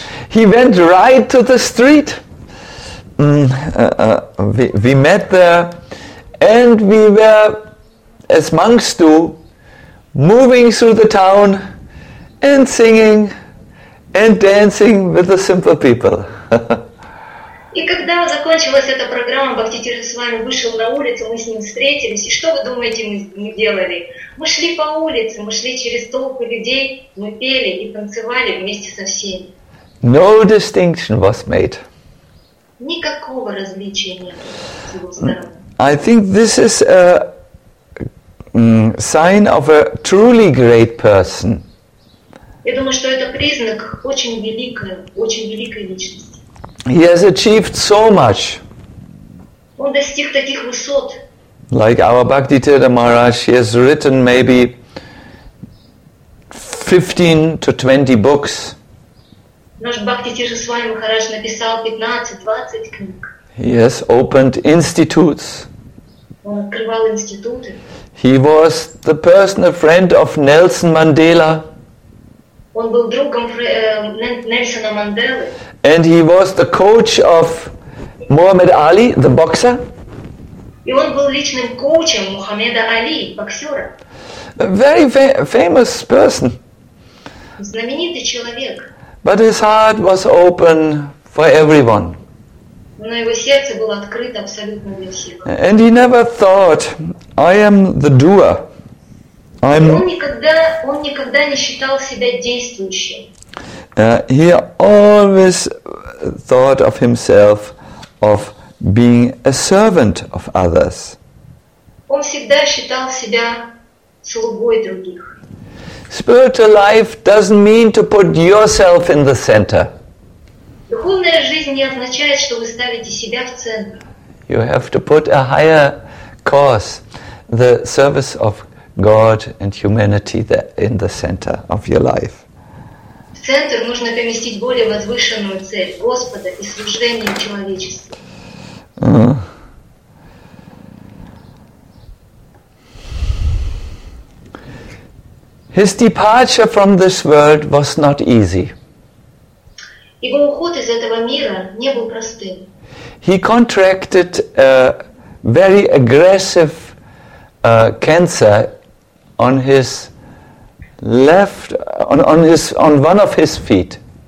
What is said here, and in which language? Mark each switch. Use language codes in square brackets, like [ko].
[en] He went right to the street. We met there, and we were, as monks do, moving through the town and singing and dancing with the simple people. [ru] И когда закончилась эта программа, Бхакти Тирха с вами вышел на улицу, мы с ним встретились. И что вы думаете, мы делали? Мы шли по улице, мы шли через толпы людей, мы пели и танцевали вместе со всеми. [en] No distinction was made. [ru] Никакого различия не было. [en] I think this is a sign of a truly great person. [ru] Я думаю, что это признак очень великой личности. [en] He has achieved so much. [ru] Он достиг таких высот. [en] Like our Bhakti Tirtha Maharaj, he has written maybe 15 to 20 books. [ru] Наш Бхакти Тирха с вами Махарадж написал 15-20 книг. [en] He has opened institutes. [ru] Он открывал институты. [en] He was the personal friend of Nelson Mandela. [ru] Он был другом Нельсона Манделы. [en] And he was the coach of Muhammad Ali, the boxer. [ru] И он был личным коучем Мухаммеда Али, боксера. [en] A very famous person. [ru] Знаменитый человек. [en] But his heart was open for everyone. [ru] Но его сердце было открыто абсолютно для всех. [en] And he never thought, I am the doer. [ru] Он никогда не считал себя действующим. [en] He always thought of himself of being a servant of others. [ru] Он всегда считал себя слугой других. [en] Spiritual life doesn't mean to put yourself in the center. [ru] Духовная жизнь не означает, что вы ставите себя в центр. [en] You have to put a higher cause, the service of God and humanity, in the center of your life. [ru] В центр нужно поместить более возвышенную цель Господа и служение человечеству. [en] His departure from this world was not easy. [ru] Его уход из этого мира не был простым. [en] He contracted a very aggressive cancer on his left, on his, on one of his feet.